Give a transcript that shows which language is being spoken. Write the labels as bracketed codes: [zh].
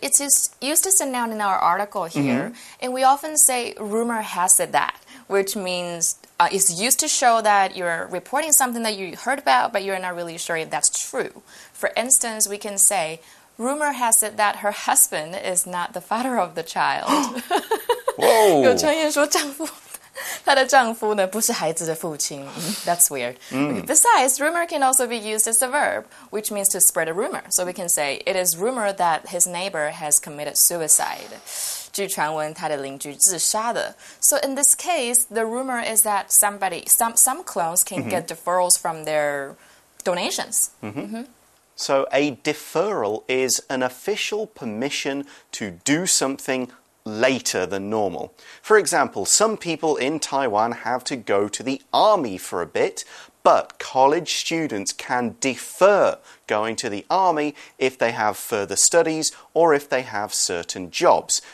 [en] It's used as a noun in our article here. Mm-hmm. And we often say rumor has it that, which means it's used to show that you're reporting something that you heard about, but you're not really sure if that's true. For instance, we can say,Rumor has it that her husband is not the father of the child. Whoa! [zh] 有传言说丈夫，她的丈夫呢不是孩子的父亲。 [en] That's weird. Mm. Okay, besides, rumor can also be used as a verb, which means to spread a rumor. So we can say, it is rumor that his neighbor has committed suicide. [zh] 据传闻她的邻居自杀的。 [en] So in this case, the rumor is that some clones can get deferrals from their donations. So a deferral is an official permission to do something later than normal. For example, some people in Taiwan have to go to the army for a bit, but college students can defer going to the army if they have further studies or if they have certain jobs.